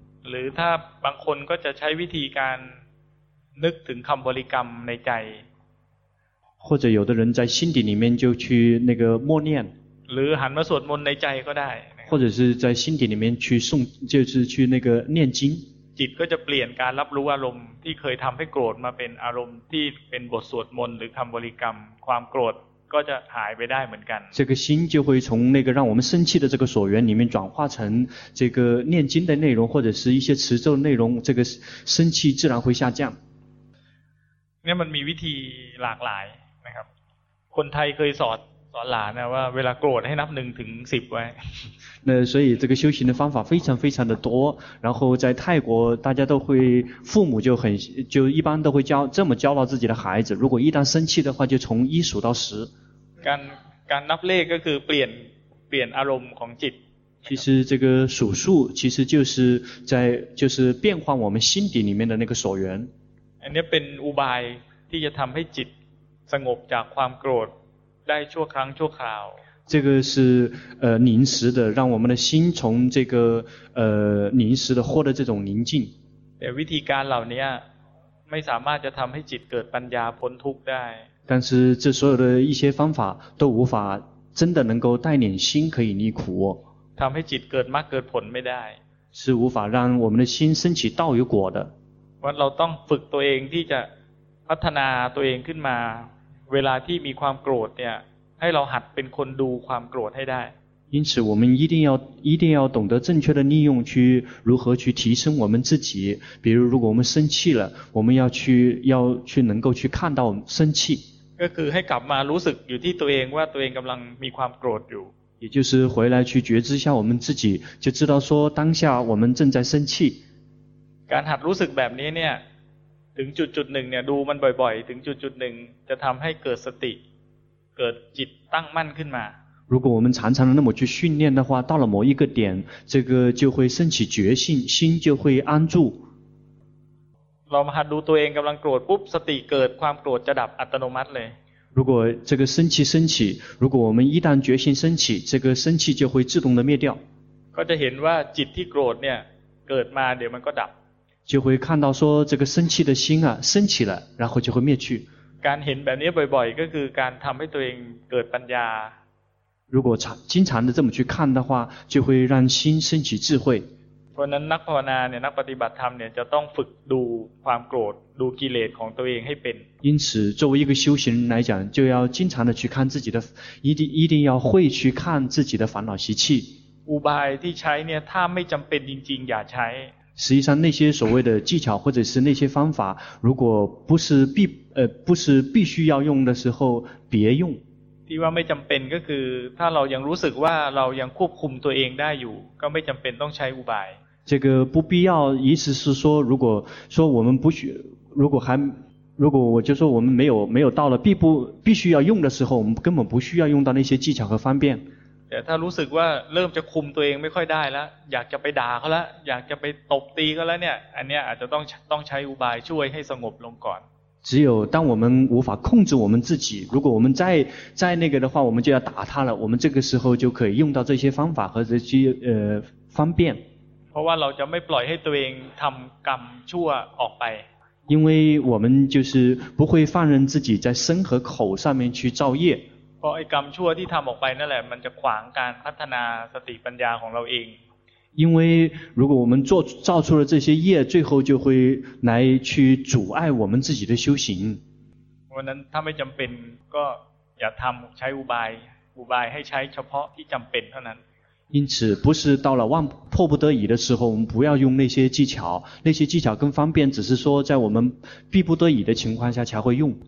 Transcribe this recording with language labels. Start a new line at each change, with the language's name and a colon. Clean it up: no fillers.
Thai: หรือถ้าบางคนก็จะใช้วิธีการนึกถึงคำบริกรรมในใจ
Chinese: 或者有的人在心底里面就去那个默念
Thai: หรือหันมาสวดมนต์ในใจก็ได้
Chinese: 或者是在心底里面去诵，就是去那个念经。
Thai: จิตก็จะเปลี่ยนการรับรู้อารมณ์ที่เคยทำให้โกรธมาเป็นอารมณ์ที่เป็นบทสวดมนต์หรือคำบริกรรมความโกรธก็จะหายไปได้เหมือนกัน。
Chinese: 这个心就会从那个让我们生气的这个所缘里面转化成这个念经的内容或者是一些持咒的内容，这个生气自然会下降。
Thai: เนี่ยมันมีวิธีหลากหลายนะครับคนไทยเคยสอนหลานนะว่าเวลาโกรธให้นับหนึ่งถึงสิบไว้
Chinese: 那所以这个修行的方法非常非常的多然后在泰国大家都会父母就很就一般都会教这么教到自己的孩子如果一旦生气的话就从一数到十
Thai: การนับเลขก็คือเปลี่ยนอารมณ์ของจิต
Chinese: 其实这个数数其实就是在就是变化我们心底里面的那个所缘
Thai: อันนี้เป็นอุบายที่จะทำให้จิตสงบจากความโกรธได้ชั่วครั้งชั่วคราว
Chinese: 这个是临时的让我们的心从这个临时的获得这种宁静
Thai: แต่วิธีการเหล่านี้ไม่สามารถจะทำให้จิตเกิดปัญญาพ้นทุกข์ได้
Chinese: 但是这所有的一些方法都无法真的能够带领心可以离苦
Thai: ทำให้จิตเกิดมรรคเกิดผลไม่ได้
Chinese: 是无法让我们的心升起道与果的
Thai: ว่าเราต้องฝึกตัวเองที่จะพัฒนาตัวเองขึ้นมาเวลาที่มีความโกรธเนี่ยให้เราหัดเป็นคนดูความโกรธให้ได้
Chinese: 因此我们一定要懂得正确的利用去如何去提升我们自己比如如果我们生气了我们要去能够去看到生气
Thai: ก็คือให้กลับมารู้สึกอยู่ที่ตัวเองว่าตัวเองกำลังมีความโกรธอยู่
Chinese: 也就是回来去觉知一下我们自己就知道说当下我们正在生气
Thai: การหัดรู้สึกแบบนี้เนี่ย ถึงจุดๆหนึ่งเนี่ยดูมันบ่อยๆถึงจุดๆหนึ่งจะทำให้เกิดสติเกิดจิตตั้งมั่นขึ้นมา
Chinese: 如果我们常常那么去训练的话到了某一个点这个就会升起觉性心就会安住
Thai: เรามาหัดดูตัวเองกำลังโกรธปุ๊บสติเกิดความโกรธจะดับอัตโนมัติเลย
Chinese: 如果这个生气升起如果我们一旦决心升起这个生气就会自动的灭掉
Thai: ก็จะเห็นว่าจิตที่โกรธเนี่ยเกิดมาเดี๋ยวมันก็ดับ
Chinese: 就会看到说这个生气的心啊升起了然后就会灭去
Thai: การเห็นแบบนี้บ่อยๆก็คือการทำให้ตัวเองเกิดปัญญา
Chinese: 如果经常的这么去看的话就会让心升起智慧
Thai: เพราะนั้นนักภาวนาเนี่ยนักปฏิบัติธรรมเนี่ยจะต้องฝึกดูความโกรธดูกิเลสของตัวเองให้เป็น
Chinese: 因此作为一个修行人来讲就要经常的去看自己的一定要会去看自己的烦恼习气
Thai: อุบายที่ใช้เนี่ยถ้าไม่จำเป็นจริงๆอย่าใช้
Chinese: 实际上那些所谓的技巧或者是那些方法如果不是必须要用的时候别用
Thai: ที่ว่าไม่จำเป็นก็คือถ้าเรายังรู้สึกว่าเรายังควบคุมตัวเองได้อยู่ก็ไม่จำเป็นต้องใช้อุบาย
Chinese: 这个不必要意思是说如果说我们不需如果还如果我就说我们没有到了必须要用的时候我们根本不需要用到那些技巧和方便
Thai: แต่ถ้ารู้สึกว่าเริ่มจะคุมตัวเองไม่ค่อยได้แล้วอยากจะไปด่าเขาแล้วอยากจะไปตบตีเขาแล้วเนี่ยอันเนี้ยอาจจะต้องใช้อุบายช่วยให้สงบลงก่อน
Chinese: 只有当我们无法控制我们自己如果我们再那个的话我们就要打他了我们这个时候就可以用到这些方法和这些方便
Thai: เพราะว่าเราจะไม่ปล่อยให้ตัวเองทำกรรมชั่วออกไป
Chinese: 因为我们就是不会放任自己在身和口上面去造业
Thai: เพราะไอ้กรรมชั่วที่ทำออกไปนั่นแหละมันจะขวางการพัฒนาสติปัญญาของเราเอง
Chinese: 因为如果我们造出了这些业最后就会来去阻碍我们自己的修行
Thai: เพราะนั้นถ้าไม่จำเป็นก็อย่าทำใช้อุบายให้ใช้เฉพาะที่จำเป็นเท่านั้น
Chinese: 因此不是到了迫不得已的时候我们不要用那些技巧更方便只是说在我们必不得已的情况下才会用